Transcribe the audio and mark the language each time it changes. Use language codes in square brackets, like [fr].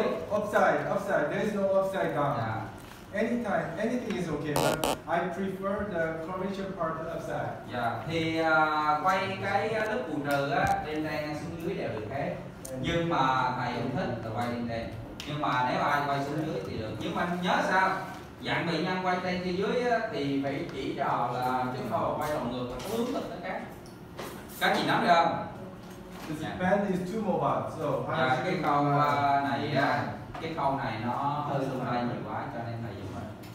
[en] offside, there is no offside down. Anytime, anything is okay, but I prefer the correction part upside. [vi] Yeah, thì quay cái lớp bù trừ á, lên đây xuống dưới đều được hết. Nhưng mà thầy không thích là quay lên đây. Nhưng mà nếu ai quay xuống dưới thì được. Nhưng mà nhớ sao, dạng bệnh nhân quay lên phía dưới á, thì phải chỉ cho họ là chúng ta quay đầu ngược và hướng tất cả các. Các chị nắm được không? [en] The band is too mobile, so [vi] cái câu này á, cái câu này nó hơi lung lay nhiều quá cho nên thầy dùng mình.